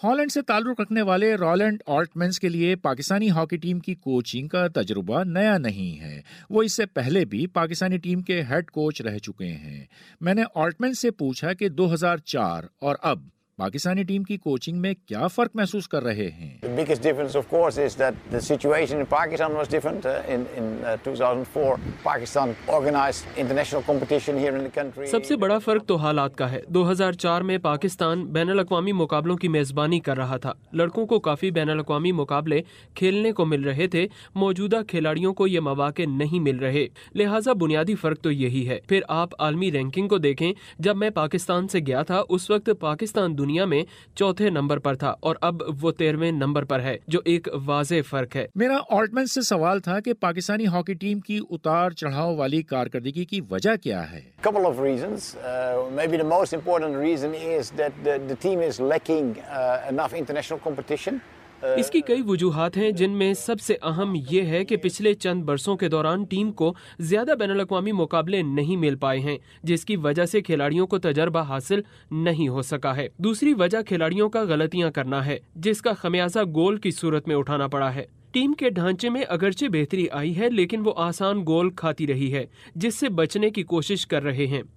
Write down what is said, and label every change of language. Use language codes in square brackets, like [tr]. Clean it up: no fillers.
[ur] Holland سے تعلق رکھنے والے رولینڈ آلٹمنز کے لیے پاکستانی ہاکی ٹیم کی کوچنگ کا تجربہ نیا نہیں ہے, وہ اس سے پہلے بھی پاکستانی ٹیم کے ہیڈ کوچ رہ چکے ہیں. میں نے آلٹمنز سے پوچھا کہ 2004 اور اب پاکستانی ٹیم کی کوچنگ میں کیا فرق محسوس کر رہے ہیں؟ [en] The biggest difference of course is that the situation in Pakistan was different in 2004. Pakistan organized international competition here in the country. [ur] سب سے بڑا فرق تو حالات کا ہے. 2004 میں پاکستان بین الاقوامی مقابلوں کی میزبانی کر رہا تھا, لڑکوں کو کافی بین الاقوامی مقابلے کھیلنے کو مل رہے تھے, موجودہ کھلاڑیوں کو یہ مواقع نہیں مل رہے, لہٰذا بنیادی فرق تو یہی ہے. پھر آپ عالمی رینکنگ کو دیکھیں, جب میں پاکستان سے گیا تھا اس وقت پاکستان دنیا میں چوتھے نمبر پر تھا اور اب وہ 13ویں نمبر پر ہے، جو ایک واضح فرق ہے۔ میرا آلٹمن سے سوال تھا کہ پاکستانی ہاکی ٹیم کی اتار چڑھاؤ والی کارکردگی کی وجہ کیا ہے؟ [en] Couple of reasons. Maybe the most important reason is that the team is lacking enough international competition. [ur] اس کی کئی وجوہات ہیں، جن میں سب سے اہم یہ ہے کہ پچھلے چند برسوں کے دوران ٹیم کو زیادہ بین الاقوامی مقابلے نہیں مل پائے ہیں، جس کی وجہ سے کھلاڑیوں کو تجربہ حاصل نہیں ہو سکا ہے۔ دوسری وجہ کھلاڑیوں کا غلطیاں کرنا ہے، جس کا خمیازہ گول کی صورت میں اٹھانا پڑا ہے۔ ٹیم کے ڈھانچے میں اگرچہ بہتری آئی ہے، لیکن وہ آسان گول کھاتی رہی ہے، جس سے بچنے کی کوشش کر رہے ہیں۔